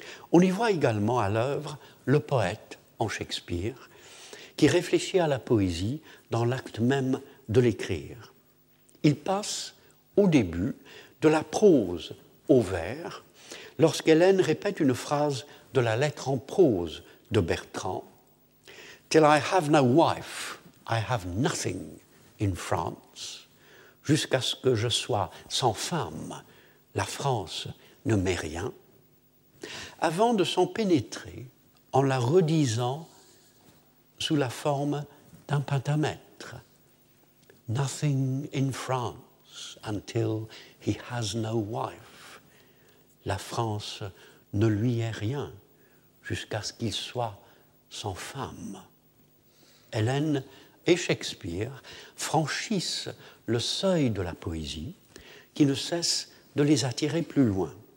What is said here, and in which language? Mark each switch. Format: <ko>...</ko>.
<fr>On y voit également à l'œuvre le poète en Shakespeare qui réfléchit à la poésie dans l'acte même de l'écrire. Il passe au début de la prose au vers lorsqu'Hélène répète une phrase de la lettre en prose de Bertrand.</fr> <en>« Till I have no wife, I have nothing in France.</en> <fr>Jusqu'à ce que je sois sans femme, la France ne m'est rien. » Avant de s'en pénétrer en la redisant sous la forme d'un pentamètre,</fr> <en>nothing in France until he has no wife.</en> <fr>La France ne lui est rien jusqu'à ce qu'il soit sans femme. Hélène et Shakespeare franchissent le seuil de la poésie qui ne cesse de les attirer plus loin.</fr>